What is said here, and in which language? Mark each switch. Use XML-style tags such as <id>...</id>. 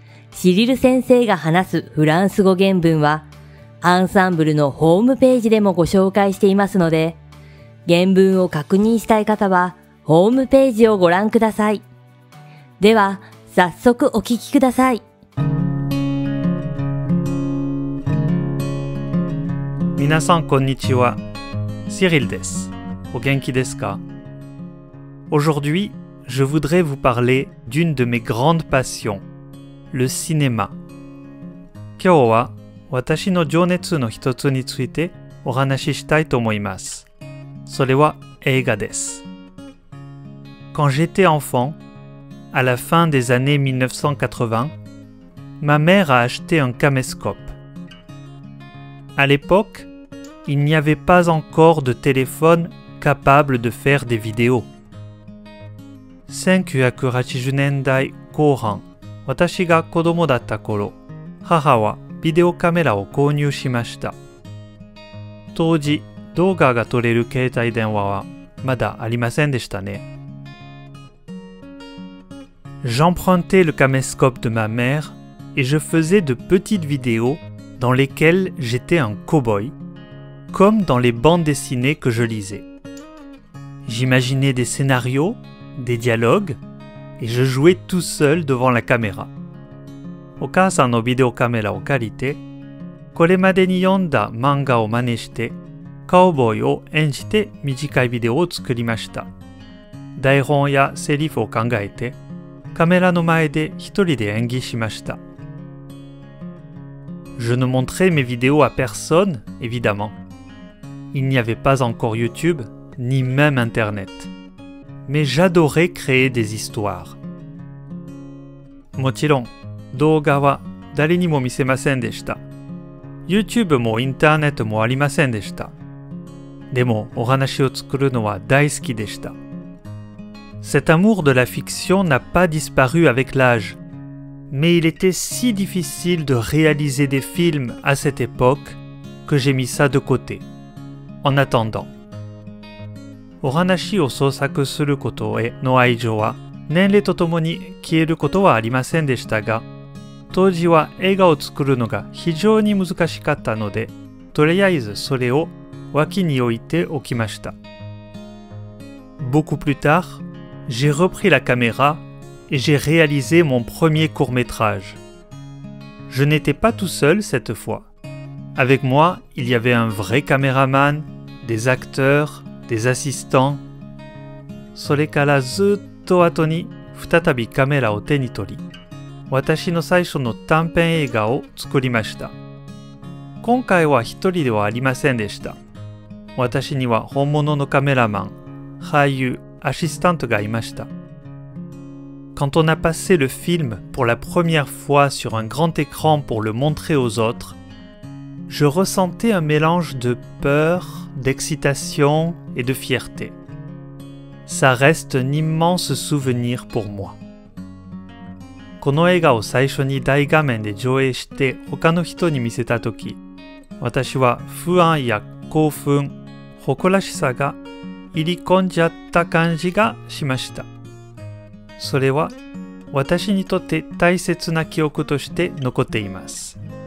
<ja>シリル先生が話すフランス語原文はアンサンブルのホームページでもご紹介していますので、原文を確認したい方はホームページをご覧ください。では早速お聞きください。皆さんこんにちは、シリルです。お元気ですか？</ja> <fr>Aujourd'hui, je voudrais vous parler d'une de mes grandes passions, le cinéma.</fr> <ja>今日は私の情熱の一つについてお話ししたいと思います。それは映画です。</ja> <fr>Quand j'étais enfant, à la fin des années 1980, ma mère a acheté un caméscope. À l'époque, il n'y avait pas encore de téléphone capable de faire des vidéos.</fr> <ja>1980年代後半、私が子供だった頃、母はビデオカメラを購入しました。当時、動画が撮れる携帯電話はまだありませんでしたね。</ja> <fr>J'empruntais le caméscope de ma mère et je faisais de petites vidéos dans lesquelles j'étais un cow-boy, comme dans les bandes dessinées que je lisais. J'imaginais des scénarios, des dialogues et je jouais tout seul devant la caméra.</fr> <ja>お母さんのビデオカメラを借りて、これまでに読んだ漫画を真似して、カウボーイを演じて短いビデオを作りました。台本やセリフを考えて、カメラの前で一人で演技しました。</ja> <fr>Je ne montrais mes vidéos à personne, évidemment. Il n'y avait pas encore YouTube, ni même Internet. Mais j'adorais créer des histoires.</fr> <ja>もちろん、動画は誰にも見せませんでした。 YouTube もインターネットもありませんでした。でも、お話を作るのは大好きでした。</ja> <fr>Cet amour de la fiction n'a pas disparu avec l'âge, mais il était si difficile de réaliser des films à cette époque que j'ai mis ça de côté, en attendant.</fr> <ja>お話を創作することへの愛情は、年齢とともに消えることはありませんでしたが、当時は映画を作るのが非常に難しかったので、とりあえずそれを脇に置いておきました。</ja> <fr>Beaucoup plus tard, j'ai repris la caméra et j'ai réalisé mon premier court-métrage. Je n'étais pas tout seul cette fois. Avec moi, il y avait un vrai caméraman, des acteurs, des assistants.</fr> <ja>それからずっと後に再びカメラを手に取り、私の最初の短編映画を作りました。今回は一人ではありませんでした。私には本物のカメラマン、俳優、アシスタントがいました。</ja> <fr>Quand on a passé le film pour la première fois sur un grand écran pour le montrer aux autres, je ressentais un mélange de peur, d'excitation et de fierté. Ça reste un immense souvenir pour moi.</fr> <ja>この映画を最初に大画面で上映して他の人に見せた時、私は不安や興奮、誇らしさが入り込んじゃった感じがしました。それは私にとって大切な記憶として残っています。</ja>